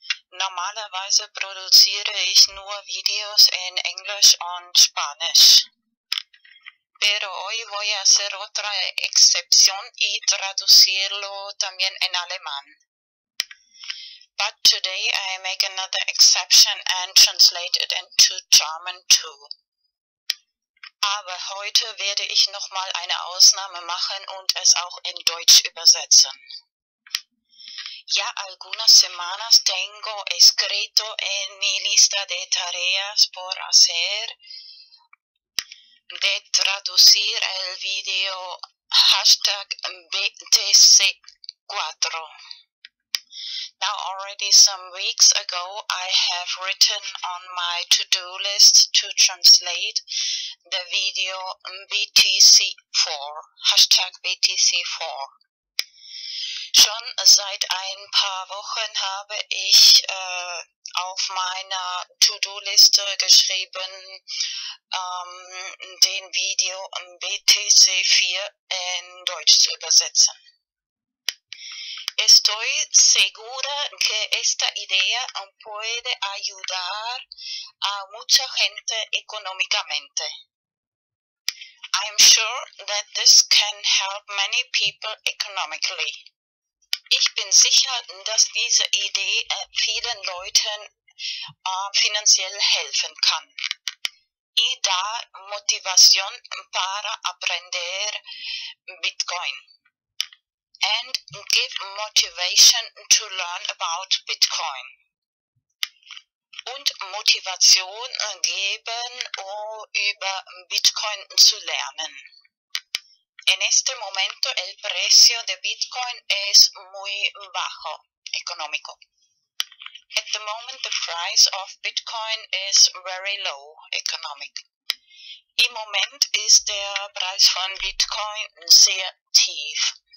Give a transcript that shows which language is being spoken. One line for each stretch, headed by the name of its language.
German: Normalerweise produziere ich nur Videos en Englisch und Spanisch.
Spanish: Pero hoy voy a hacer otra excepción y traducirlo también en alemán.
English: But today I make another exception and translate it into German too.
German: Aber heute werde ich nochmal eine Ausnahme machen und es auch in Deutsch übersetzen.
Spanish: Ya algunas semanas tengo escrito en mi lista de tareas por hacer de traducir el video hashtag BTC4.
English: Now already some weeks ago I have written on my to-do list to translate the video BTC4, hashtag BTC4.
German: Schon seit ein paar Wochen habe ich auf meiner To-Do-Liste geschrieben, den Video BTC4 in Deutsch zu übersetzen.
Spanish: Estoy segura que esta idea puede ayudar a mucha gente económicamente.
English: I'm sure that this can help many people economically.
German: Ich bin sicher, dass diese Idee vielen Leuten finanziell helfen kann.
Spanish: Y da motivación para aprender Bitcoin.
English: And give motivation to learn about Bitcoin.
German: Und Motivation geben, über Bitcoin zu lernen.
Spanish: En este momento el precio de Bitcoin es muy bajo, económico.
English: At the moment the price of Bitcoin is very low, economic.
German: Im Moment ist der Preis von Bitcoin sehr tief.